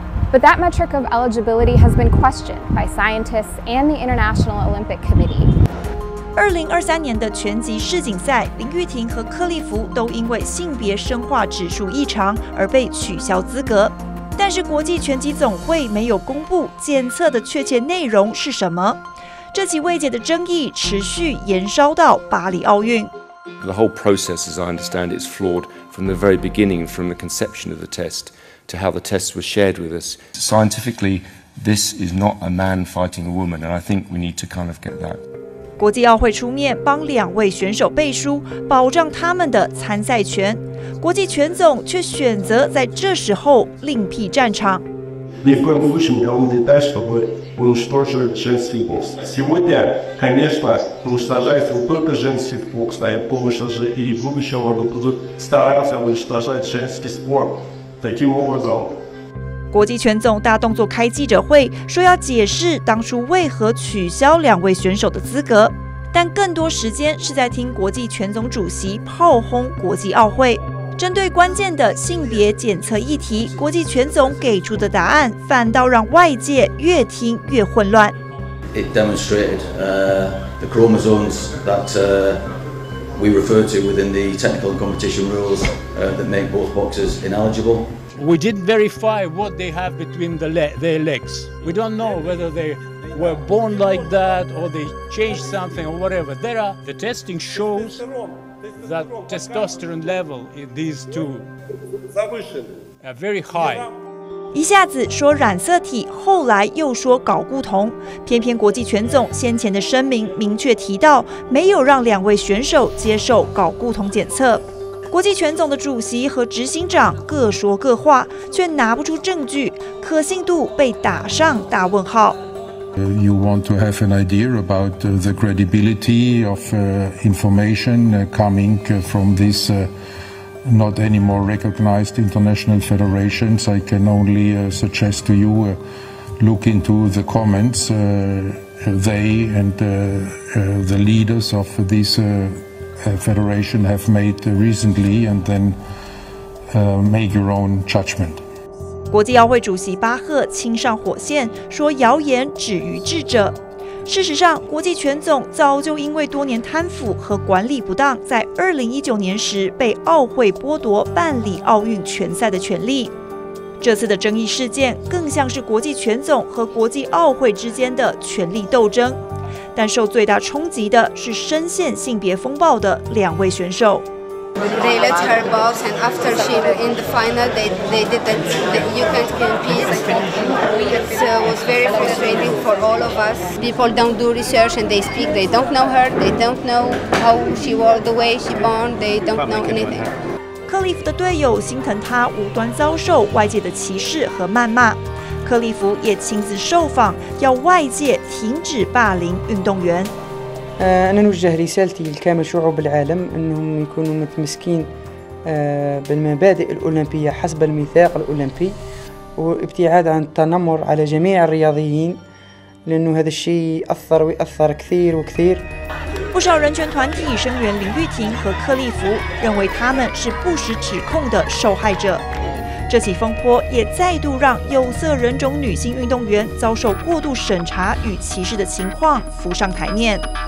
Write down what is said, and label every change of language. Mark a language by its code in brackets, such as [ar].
[en] But that metric of eligibility has been questioned by scientists and the International Olympic Committee. [zh] 2023年的拳击世锦赛，林玉婷和克利福都因为性别生化指数异常而被取消资格。但是国际拳击总会没有公布检测的确切内容是什么。这起未解的争议持续延烧到巴黎奥运。 [en] The whole process, as I understand, is flawed from the very beginning, from the conception of the test. To how the tests were shared with us. Scientifically, this is not a man fighting a woman, and I think we need to kind of get that. [zh] 国际奥会出面帮两位选手背书，保障他们的参赛权。国际拳总却选择在这时候另辟战场。 [en] The evolution of the test will torture trans people. [ru] Сегодня, конечно, уничтожает не только женский спорт, а и помощь и будущего будут стараться уничтожать женский спорт. [zh] 国际拳总大动作开记者会，说要解释当初为何取消两位选手的资格，但更多时间是在听国际拳总主席炮轰国际奥会。针对关键的性别检测议题，国际拳总给出的答案反倒让外界越听越混乱。 [en] It demonstrated the chromosomes that. We refer to within the technical competition rules that make both boxers ineligible. We did verify what they have between their legs. We don't know whether they were born like that or they changed something or whatever. There are, the testing shows that testosterone level in these two are very high. [zh] 一下子说染色体，后来又说睾固酮，偏偏国际拳总先前的声明明确提到没有让两位选手接受睾固酮检测。国际拳总的主席和执行长各说各话，却拿不出证据，可信度被打上大问号。 [en] You want to have an idea about the credibility of information coming from this. Not anymore recognized international federations. I can only suggest to you look into the comments, they and the leaders of this federation have made recently, and then make your own judgment. [zh] 国际奥会主席巴赫亲上火线，说谣言止于智者。事实上，国际拳总早就因为多年贪腐和管理不当，在2019年时被奥会剥夺办理奥运拳赛的权利。这次的争议事件更像是国际拳总和国际奥会之间的权力斗争。但受最大冲击的是深陷性别风暴的两位选手。 [en] They let her box, and after she in the final, they did that. You can't compete. It was very frustrating for all of us. People don't do research and they speak. They don't know her. They don't know how she was, the way she born. They don't know anything. [zh] 克里夫的队友心疼他无端遭受外界的歧视和谩骂。克里夫也亲自受访，要外界停止霸凌运动员。 [ar] أنا نوجه رسالتي لكامل شعوب العالم أنهم يكونوا متمسكين بالمبادئ الأولمبية حسب الميثاق الأولمبي وابتعاد عن التنمر على جميع الرياضيين لأنه هذا الشيء أثر ويأثر كثير وكثير. [zh] 不少人权团体声援林玉婷和克利夫，认为他们是不实指控的受害者。这起风波也再度让有色人种女性运动员遭受过度审查与歧视的情况浮上台面。